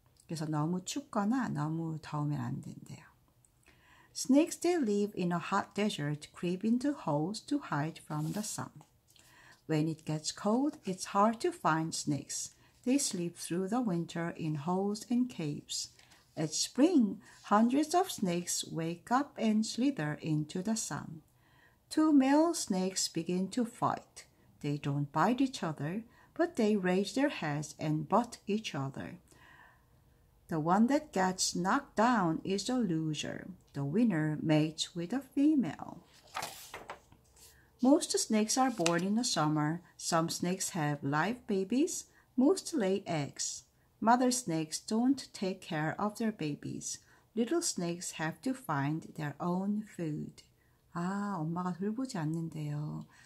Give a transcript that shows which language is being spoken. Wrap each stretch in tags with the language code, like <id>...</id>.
<ko>그래서 너무 춥거나 너무 더우면 안 된대요.</ko> <en>Snakes, they live in a hot desert, creep into holes to hide from the sun. When it gets cold, it's hard to find snakes. They sleep through the winter in holes and caves. At spring, hundreds of snakes wake up and slither into the sun. Two male snakes begin to fight. They don't bite each other, but they raise their heads and butt each other. The one that gets knocked down is the loser. The winner mates with a female. Most snakes are born in the summer. Some snakes have live babies. Most lay eggs. Mother snakes don't take care of their babies. Little snakes have to find their own food.</en> <ko>아, 엄마가 돌보지 않는데요.</ko>